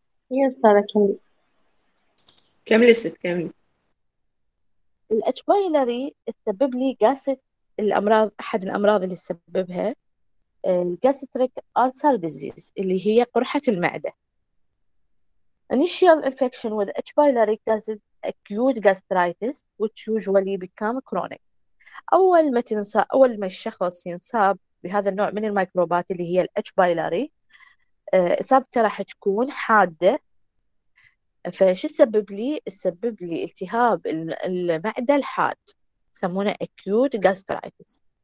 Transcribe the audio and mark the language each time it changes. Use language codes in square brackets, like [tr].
[ar] يس هذا كمل كمل الست كمل. الأتشويلري تسبب لي قاسة الأمراض، أحد الأمراض اللي تسببها الجاستريك ألسر ديزيز اللي هي قرحة المعدة. [en] Initial infection with H. pylori causes acute gastritis which usually become chronic. [ar] أول ما الشخص ينصاب بهذا النوع من الميكروبات اللي هي ال H. pylori إصابته راح تكون حادة. فشو سبب لي؟ سبب لي التهاب المعدة الحاد يسمونه acute gastritis.